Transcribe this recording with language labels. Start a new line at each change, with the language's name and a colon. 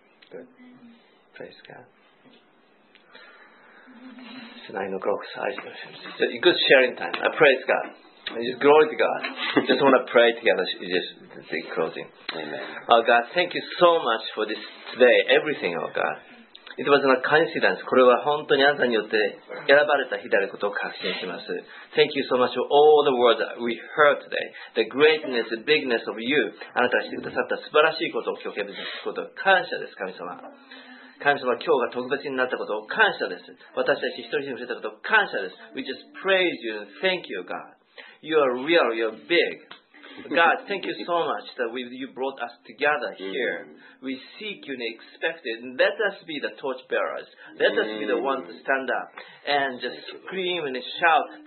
English: Good. Praise God. It's 9 o'clock. It's a good sharing time. I praise God. I just glory to God. Just want to pray together. Just the closing. Amen. Oh God, thank you so much for this today. Everything, oh God. It was a coincidence.
Japanese: これは本当にあなたによって選ばれた日であることを確信します。
English: Thank you so much for all the words we heard today. The greatness, the bigness of you.
Japanese: あなたがしてくださった素晴らしいことを今日聞くこと感謝です、神様。神様、今日が特別になったことを感謝です。私たち一人一人に触れたことを感謝です。
English: We just praise you and thank you, God. You are real, you are big. God, thank you so much that you brought us together here. We seek you and expect it. Let us be the torchbearers. Let us be the ones to stand up and just scream and shout.